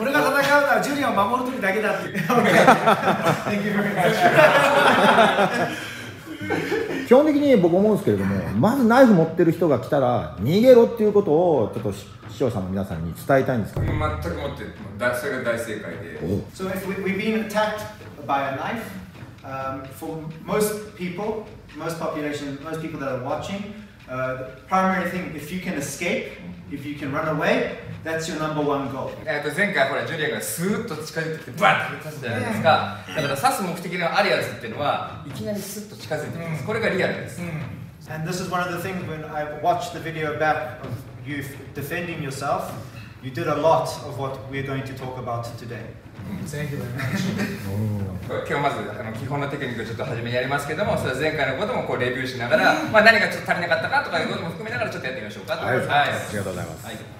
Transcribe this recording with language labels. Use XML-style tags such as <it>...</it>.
<ja>俺が戦うのはジュリアンを守る時だけだって。基本的に僕思うんですけれども、まずナイフ持ってる人が来たら逃げろっていうことをちょっと視聴者の皆さんに伝えたいんですか。全く持ってる、それが大正解で。</ja> <en>So if we've been attacked by a knife, for most people, most population, most people that are watching, the primary thing, if you can escape, if you can run away, that's your number one goal.</en> <ja>前回ほらジュリアがスーッと近づいてきてバッと刺すじゃないですか。だから刺す目的のあるやつっていうのはいきなりスッと近づいてきます。これがリアルです。</ja> <en>And this is one of the things when I watched the video back of you defending yourself, you did a lot of what we're going to talk about today. Thank you very much.</en> <ja>今日まず基本のテクニックをちょっと初めにやりますけども、それ前回のこともこうレビューしながら、まあ何がちょっと足りなかったかとかいうことも含めながらちょっとやってみましょうかと思います。はい。ありがとうございます。はい。</ja>